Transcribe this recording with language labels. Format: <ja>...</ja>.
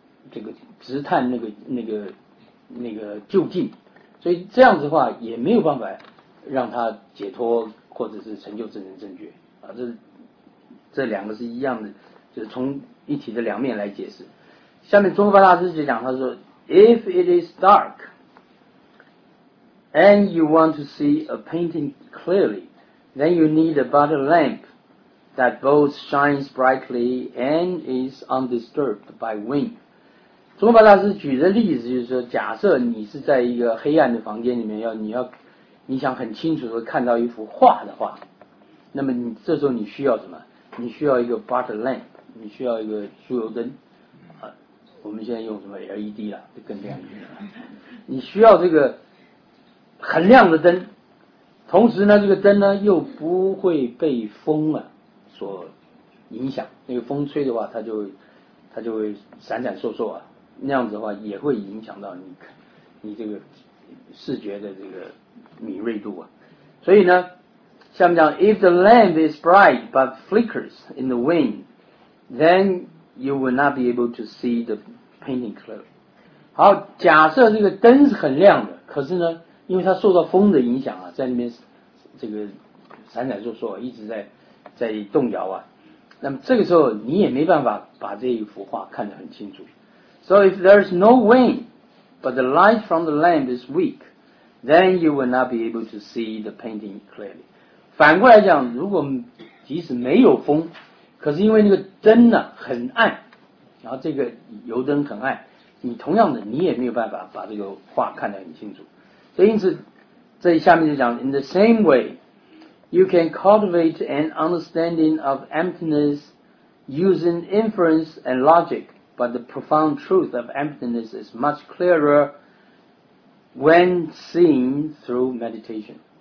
<zh>这个直探那个究竟，所以这样子的话也没有办法让他解脱或者是成就正人正觉啊，这两个是一样的，就是从一体的两面来解释。下面中巴大师就讲，他说</zh> <en>：“If it is dark and you want to see a painting clearly, then you need a butter lamp that both shines brightly and is undisturbed by wind。”</en> <zh>中巴大师举的例子就是说，假设你是在一个黑暗的房间里面，你想很清楚的看到一幅画的话，那么你这时候你需要什么？你需要一个 butter lamp， 你需要一个酥油灯啊。我们现在用什么 LED 啊，就更亮一点了。你需要这个很亮的灯，同时呢，这个灯呢又不会被风啊所影响。那个风吹的话，它就会闪闪烁烁啊，那样子的话也会影响到你这个视觉的这个敏锐度啊。所以呢，下面讲</zh> <en>，If the lamp is bright but flickers in the wind, then you will not be able to see the painting clearly.</en> <zh>好，假设这个灯是很亮的，可是呢，因为它受到风的影响啊，在那边这个闪闪烁烁，一直在动摇啊。那么这个时候你也没办法把这一幅画看得很清楚。</zh> <en>So if there is no wind, but the light from the lamp is weak, then you will not be able to see the painting clearly.</en> <zh>反过来讲，如果即使没有风，可是因为那个灯呢很暗，然后这个油灯很暗，你同样的你也没有办法把这个画看得很清楚。所以因此这下面就讲</zh> <en>In the same way you can cultivate an understanding of emptiness using inference and logic, but the profound truth of emptiness is much clearer when seen through meditation.</en>